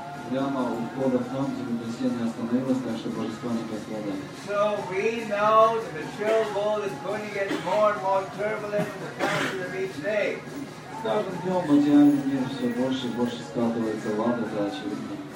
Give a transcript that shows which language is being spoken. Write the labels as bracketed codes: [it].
[ru] Прямо у входа в храм землетрясение остановилось, так что божества не пострадали. [en] So we know that the material world is going to get more and more turbulent in the future of each day. [ru] С каждым днем материальный мир все больше и больше скатывается в ад, это очевидно.